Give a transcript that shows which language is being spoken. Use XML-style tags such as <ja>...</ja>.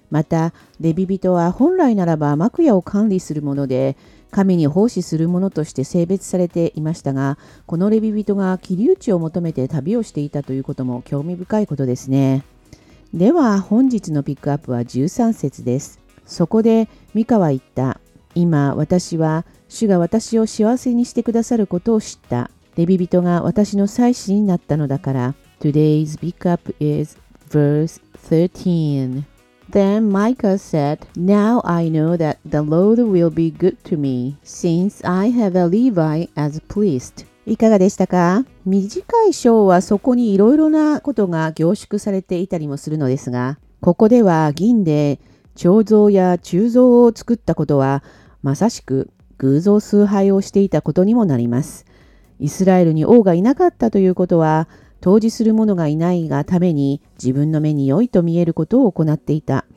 <ja>また、レビ人は本来ならば幕屋を管理するもので、神に奉仕するものとして性別されていましたが、このレビ人が切り打ちを求めて旅をしていたということも興味深いことですね。では、本日のピックアップは13節です。そこで、ミカは言った。今、私は、主が私を幸せにしてくださることを知った。レビ人が私の祭司になったのだから。</ja> <en>Today's pick up is verse 13. Then Micah said, Now I know that the Lord will be good to me, since I have a Levi as a priest.</en> <ja>いかがでしたか？短い章はそこにいろいろなことが凝縮されていたりもするのですが、ここでは銀で彫像や鋳造を作ったことは、まさしく偶像崇拝をしていたことにもなります。イスラエルに王がいなかったということは、当時する者がいないがために自分の目に良いと見えることを行っていた。</ja>